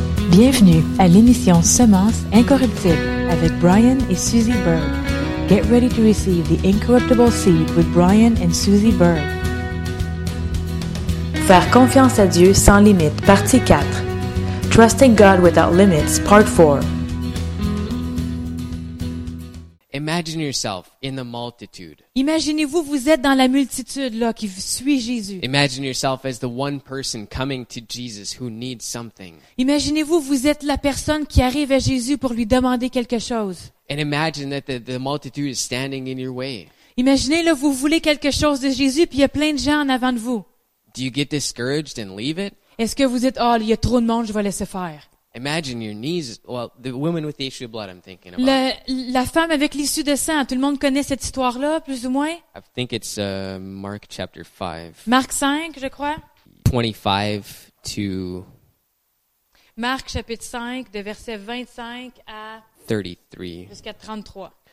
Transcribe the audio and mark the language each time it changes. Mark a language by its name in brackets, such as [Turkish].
[French] Bienvenue à l'émission Semence incorruptible avec Brian et Suzy Berg. [English] Get ready to receive the incorruptible seed with Brian and Suzy Berg. [French] Faire confiance à Dieu sans limite, partie 4. [English] Trusting God without limits, part 4. Imagine yourself in the multitude. [French] Imaginez-vous, vous êtes dans la multitude là qui suit Jésus. [English] Imagine yourself as the one person coming to Jesus who needs something. [French] Imaginez-vous, vous êtes la personne qui arrive à Jésus pour lui demander quelque chose. [English] And imagine that the multitude is standing in your way. [French] Imaginez là, vous voulez quelque chose de Jésus puis il y a plein de gens en avant de vous. [English] Do you get discouraged and leave it? [French] Est-ce que vous dites, oh, il y a trop de monde, je vais laisser faire? [English] Imagine your knees. Well, the woman with the issue of blood, I'm thinking about. [French] La femme avec l'issue de sang. Tout le monde connaît cette histoire-là, plus ou moins. [English] I think it's Mark chapter 5. [French] Marc 5, je crois. [English] 25 to. [French] Marc chapitre 5, de verset 25 à. [English] 33. [French] Jusqu'à 33.